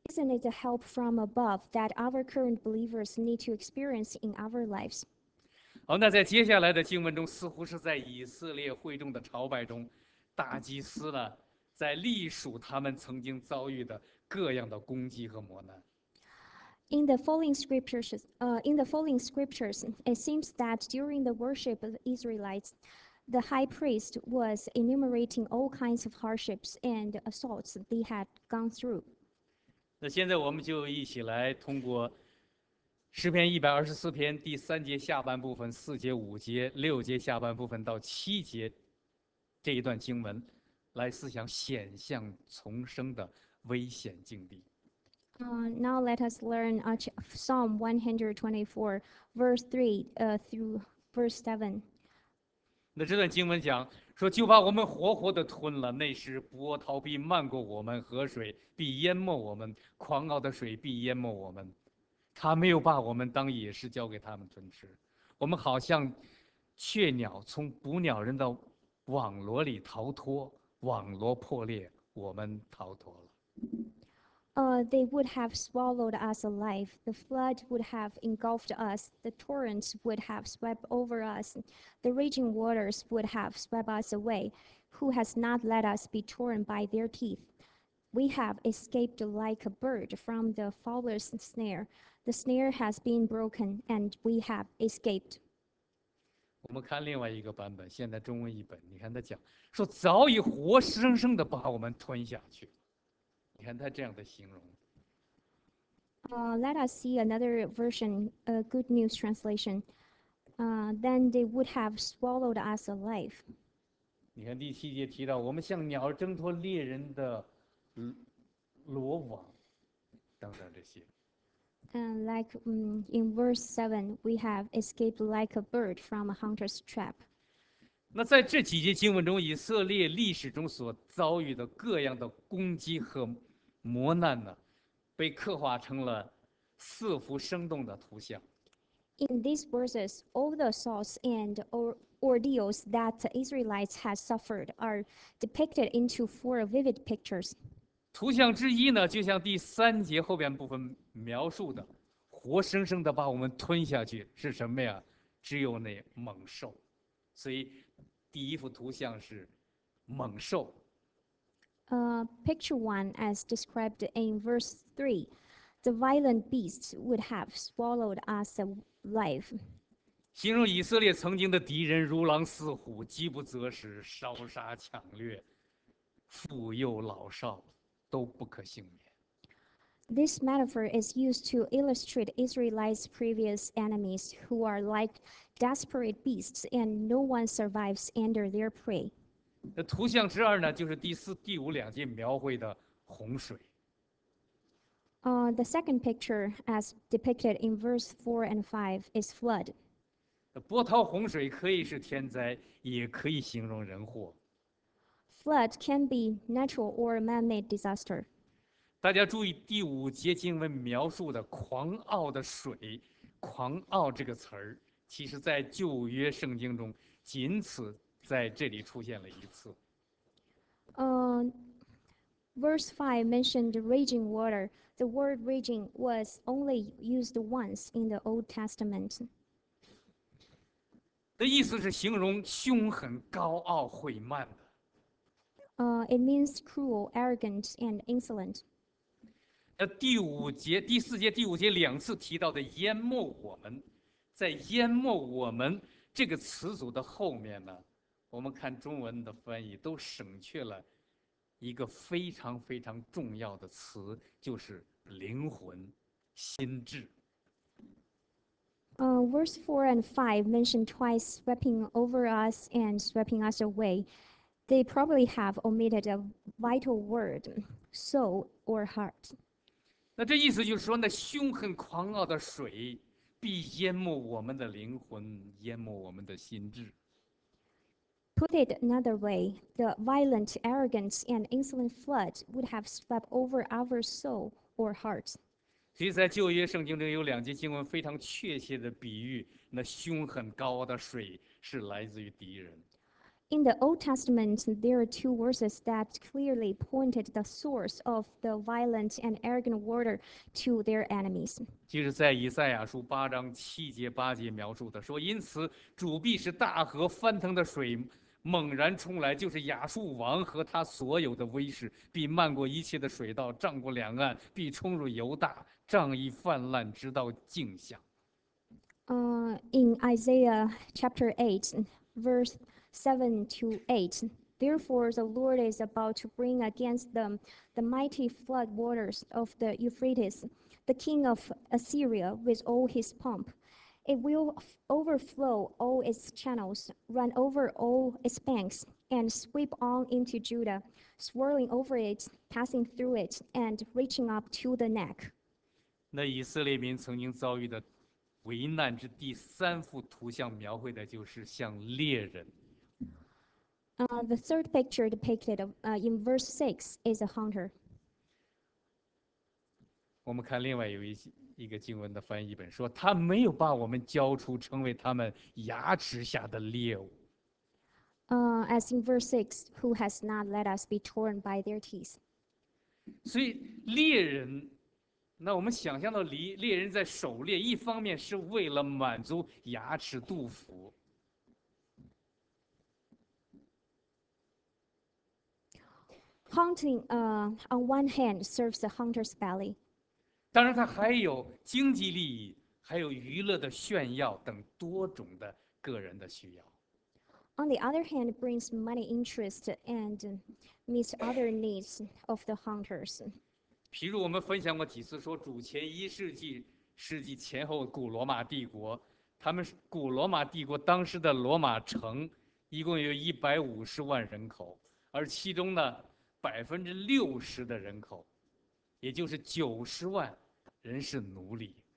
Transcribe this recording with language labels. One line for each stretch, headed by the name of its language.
English: it a help from above that our current believers need to experience in our lives?
Chinese: 好，那在接下来的经文中，似乎是在以色列会众的朝拜中，大祭司呢，在历数他们曾经遭遇的各样的攻击和磨难。
English: In the following scriptures, it seems that during the worship of Israelites, the high priest was enumerating all kinds of hardships and assaults they had gone through.
Chinese: 那现在我们就一起来通过诗篇124篇第三节下半部分、四节、五节、六节下半部分到七节这一段经文，来思想险象丛生的危险境地。
English: Now let us learn Psalm 124, verse 3 through verse 7.
Chinese: 那这段经文讲, 说就把我们活活的吞了。那时波涛必漫过我们，河水必淹没我们，狂傲的水必淹没我们。他没有把我们当野狮交给他们吞吃，我们好像雀鸟从捕鸟人的网罗里逃脱，网罗破裂，我们逃脱了。
English: They would have swallowed us alive. The flood would have engulfed us. The torrents would have swept over us. The raging waters would have swept us away. Who has not let us be torn by their teeth? We have escaped like a bird from the fowler's snare. The snare has been broken, and we have escaped.
Chinese: 我们看另外一个版本，现在中文译本，你看他讲说，早已活生生的把我们吞下去。你看他这样的形容。
English: Let us see another version, a Good News translation. Then they would have swallowed us alive.
Chinese: 你看第七节提到，我们像鸟儿挣脱猎人的罗网，等等这些。
English: In verse 7, we have escaped like a bird from a hunter's trap.
Chinese: 那在这几节经文中，以色列历史中所遭遇的各样的攻击和磨难呢，被刻画成了四幅生动的图像。 In these verses, all the assaults and ordeals that the Israelites had suffered are depicted into four vivid pictures. 图像之一呢，就像第三节后边部分描述的，活生生的把我们吞下去，是什么呀？只有那猛兽。所以，第一幅图像是猛兽。
English: Picture one, as described in verse 3, the violent beasts would have swallowed us alive.
Chinese: 形容以色列曾经的敌人如狼似虎，饥不择食，烧杀抢掠，妇幼老少都不可幸免。
English: This metaphor is used to illustrate Israelites' previous enemies, who are like desperate beasts, and no one survives under their prey.
Chinese: 那图像之二呢，就是第四、第五两节描绘的洪水。
English: The second picture, as depicted in verse 4 and 5, is flood.
Chinese: 波涛洪水可以是天灾，也可以形容人祸。
English: Flood can be natural or man-made disaster.
Chinese: 大家注意第五节经文描述的"狂傲的水"，"狂傲"这个词儿，其实在旧约圣经中仅此在这里出现了一次。
English: Verse 5 mentioned raging water. The word raging was only used once in the Old Testament.
Chinese: 的意思是形容凶狠、高傲、毁慢的。
English: It means cruel, arrogant, and insolent.
Chinese: 第五节、第四节、第五节两次提到的淹没我们，在淹没我们这个词组的后面呢？我们看中文的翻译都省去了一个非常非常重要的词，就是灵魂、心智。
English: Verse 4 and 5 mentioned twice sweeping over us and sweeping us away. They probably have omitted a vital word, soul or heart.
Chinese: 那这意思就是说，那凶狠狂傲的水必淹没我们的灵魂，淹没我们的心智。
English: Put it another way, the violent arrogance and insolent flood would have swept over our soul or heart.
Chinese: 所以在旧约圣经中有两节经文非常确切的比喻，那凶狠高傲的水是来自于敌人。
English: In the Old Testament, there are two verses that clearly pointed the source of the violent and arrogant water to their enemies.
Chinese: 就是在以赛亚书8章7节8节描述的，说因此主必是大河翻腾的水，猛然冲来，就是亚述王和他所有的威势，必漫过一切的水道，涨过两岸，必冲入犹大，仗义泛滥，直到境下。
English: In Isaiah chapter 8, verse 7 to 8, therefore the Lord is about to bring against them the mighty flood waters of the Euphrates, the king of Assyria, with all his pomp. It will overflow all its channels, run over all its banks, and sweep on into Judah, swirling over it, passing through it, and reaching up to the neck.
Chinese: 那以色列民曾经遭遇的危难之第三幅图像描绘的就是像猎人。
English: The third picture depicted in verse 6 is a hunter.
Chinese: 我们看另外有一个经文的翻译本说，他没有把我们交出，成为他们牙齿下的猎物。
English: As in verse 6, who has not let us be torn by their teeth?
Chinese: 所以猎人，那我们想象到猎人在狩猎，一方面是为了满足牙齿肚腹。
English: Hunting, on one hand, serves the hunter's belly.
Chinese: 当然，它还有经济利益，还有娱乐的炫耀等多种的个人的需要。
English: On the other hand, brings money interest and meets other needs of the hunters.
Chinese: 譬如我们分享过几次，说主前一世纪、世纪前后，古罗马帝国，他们古罗马帝国当时的罗马城一共有150万人口，而其中呢，60%的人口，也就是90万人是奴隶。